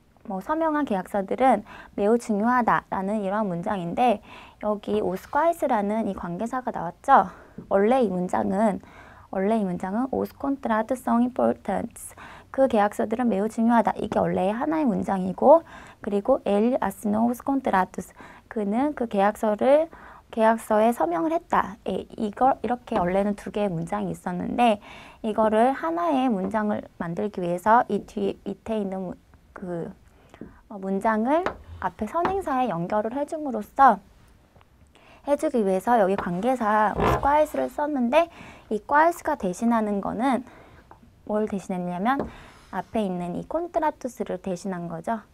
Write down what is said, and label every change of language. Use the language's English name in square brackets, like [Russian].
[Korean] 뭐 서명한 계약서들은 매우 중요하다라는 이러한 문장인데, 여기 오스콘트라는 이 관계사가 나왔죠. 원래 이 문장은 [Portuguese] os contrato são importantes. [Korean] 그 계약서들은 매우 중요하다. 이게 원래의 하나의 문장이고, 그리고 [Portuguese] ele assinou os contratos. [Korean] 그는 그 계약서에 서명을 했다. 이렇게 원래는 두 개의 문장이 있었는데, 이거를 하나의 문장을 만들기 위해서 밑에 있는 그 문장을 앞에 선행사에 연결을 해주기 위해서 여기 관계사 quais를 썼는데, 이 quais가 대신하는 거는 뭘 대신했냐면 앞에 있는 이 contratus를 대신한 거죠.